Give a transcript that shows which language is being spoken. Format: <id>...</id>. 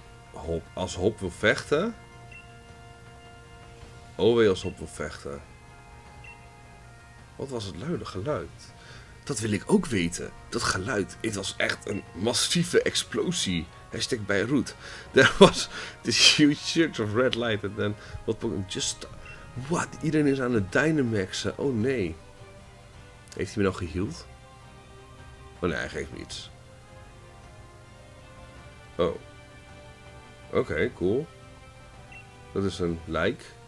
<nl>Hop, als Hop wil vechten. Oh, wee, als Hop wil vechten. Wat was het luide geluid? Dat wil ik ook weten. Dat geluid, het was echt een massieve explosie. Hashtag Beirut.</nl> <en>There was this huge church of red light. And then, what Pokemon just... What?</en> <nl>Iedereen is aan het dynamaxen. Oh nee. Heeft hij me nou geheeld? Oh nee, hij geeft me iets. Oh. Oké, cool. Dat is een lijk.</nl>